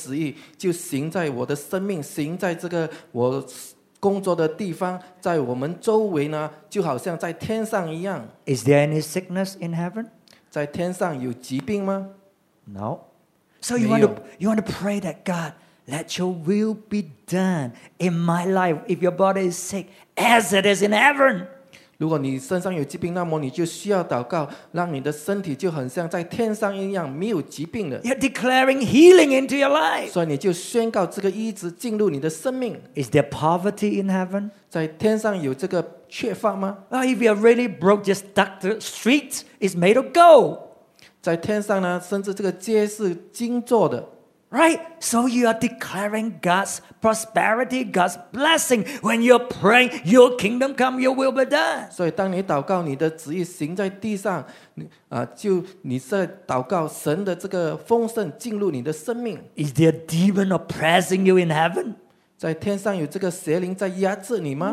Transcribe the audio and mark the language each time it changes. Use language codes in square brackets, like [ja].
[zh] 所以我们祷告呢，让你当完全的旨意就行在我的生命，行在这个我。工作的地方在我们周围呢，就好像在天上一样。 [en] Is there any sickness in heaven? [zh] 在天上有疾病吗？ [en] No. So you want to pray that God, let your will be done in my life. If your body is sick, as it is in heaven. [zh] 如果你身上有疾病，那么你就需要祷告，让你的身体就很像在天上一样，没有疾病的。 [en] You're declaring healing into your life. [zh] 所以你就宣告这个医治进入你的生命。 [en] Is there poverty in heaven? [zh] 在天上有这个缺乏吗？ [en] Oh, if you're really broke, just duck the street. It's made of gold. [zh] 在天上呢，甚至这个街是金做的。 [en] Right? So you are declaring God's prosperity, God's blessing. When you're praying, your kingdom come, your will be done. [zh] 所以当你祷告你的旨意行在地上, 就你是祷告神的这个丰盛进入你的生命。 [en] Is there a demon oppressing you in heaven? [zh] 在天上有这个邪灵在压制你吗?